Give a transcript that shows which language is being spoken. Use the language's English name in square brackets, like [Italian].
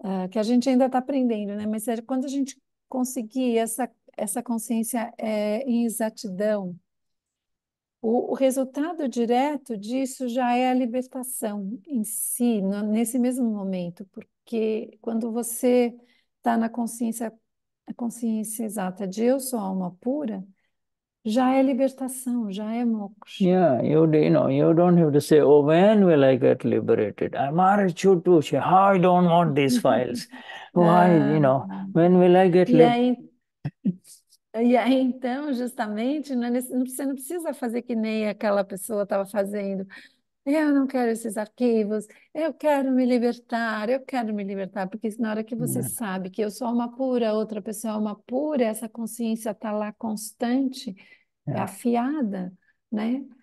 [Portuguese] Que a gente ainda está aprendendo, né? Mas quando a gente conseguir essa consciência em exatidão, o resultado direto disso já é a libertação em si, no, nesse mesmo momento, porque quando você está na consciência, a consciência exata de eu sou alma pura, já é libertação, já é moksha. [English] Yeah, you know, you don't have to say, oh, when will I get liberated? I'm Arachutushi, how I don't want these files. Why, you know, when will I get liberated? [Portuguese] E aí, então, justamente, você não precisa fazer que nem aquela pessoa estava fazendo. Eu não quero esses arquivos, eu quero me libertar, porque na hora que você sabe que eu sou uma pura, outra pessoa é uma pura, essa consciência está lá constante, é afiada, né?